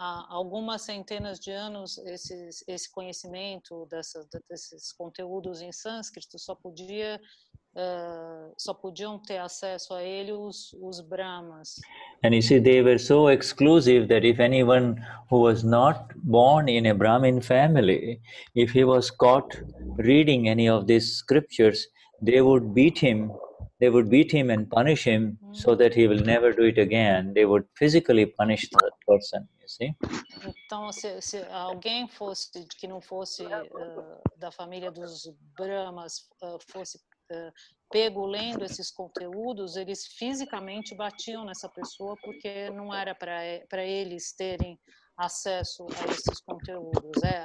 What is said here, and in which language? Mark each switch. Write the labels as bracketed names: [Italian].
[Portuguese] Algumas centenas de anos, esse conhecimento desses conteúdos em sânscrito só podiam ter acesso a ele os brahmas. [English] And you see, they were so exclusive that if anyone who was not born in a Brahmin family, if he was caught reading any of these scriptures, they would beat him. They would beat him and punish him so that he will never do it again. They would physically punish that person, you see? [Portuguese] Então, se alguém fosse, que não fosse da família dos Brahmas, fosse pego lendo esses conteúdos, eles fisicamente batiam nessa pessoa porque não era para eles terem acesso a esses conteúdos.